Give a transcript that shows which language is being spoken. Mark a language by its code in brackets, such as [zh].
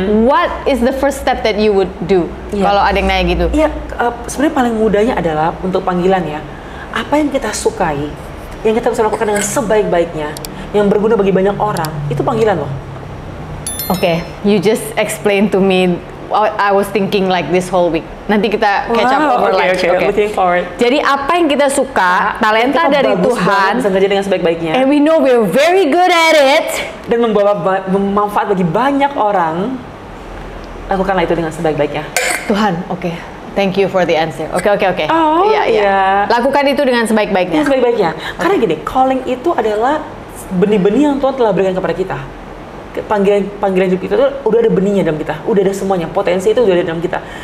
[en] What is the first step that you would do? [id] Kalau ada yang nanya gitu. Iya, sebenarnya paling mudahnya adalah untuk panggilan ya. Apa yang kita sukai, yang kita bisa lakukan dengan sebaik-baiknya, yang berguna bagi banyak orang, itu panggilan loh. [en] Okay, you just explain to me. I was thinking like this whole week. [id] Nanti kita catch up over lunch. [en] Okay. Looking forward. [id] Jadi apa yang kita suka, talenta kita dari Tuhan, sengaja dengan sebaik-baiknya. [en] And we know we're very good at it. [id] Dan membawa manfaat bagi banyak orang. Lakukanlah itu dengan sebaik-baiknya. [en] Tuhan, okay. Thank you for the answer. Okay. Yeah. [id] Lakukan itu dengan sebaik-baiknya. Dengan sebaik-baiknya. Karena gini, calling itu adalah benih-benih yang Tuhan telah berikan kepada kita. Panggilan hidup kita tuh udah ada benihnya dalam kita, udah ada semuanya, potensi itu udah ada dalam kita.